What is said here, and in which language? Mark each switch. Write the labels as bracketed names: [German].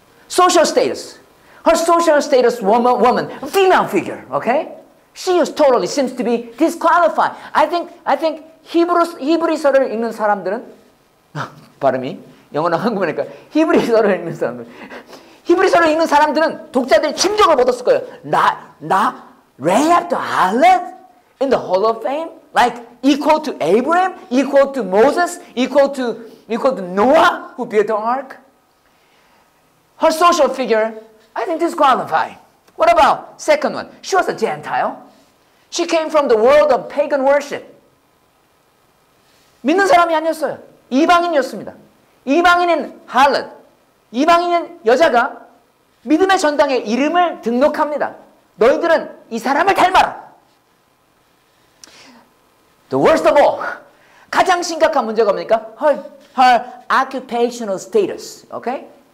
[English] Social status. Her social status woman, female figure, okay? She is totally seems to be disqualified. I think [Korean] Hebrew서를 읽는 사람들은 발음이 영어나 한국말이니까 히브리서를 읽는 사람들. 히브리서를 읽는 사람들은 독자들이 충격을 받았을 거예요. [English] 나 Rahab the harlot in the Hall of Fame like equal to Abraham, equal to Moses, equal to Noah, who built the ark. Her social figure, I think disqualified. What about second one? She was a Gentile. She came from the world of pagan worship. [Korean] 믿는 사람이 아니었어요. 이방인이었습니다. 이방인인 Harlot, 이방인인 여자가 믿음의 전당에 이름을 등록합니다. 너희들은 이 사람을 닮아라. [English] The worst of all, [Korean] 가장 심각한 문제가 뭡니까? [English] Her occupational status, okay?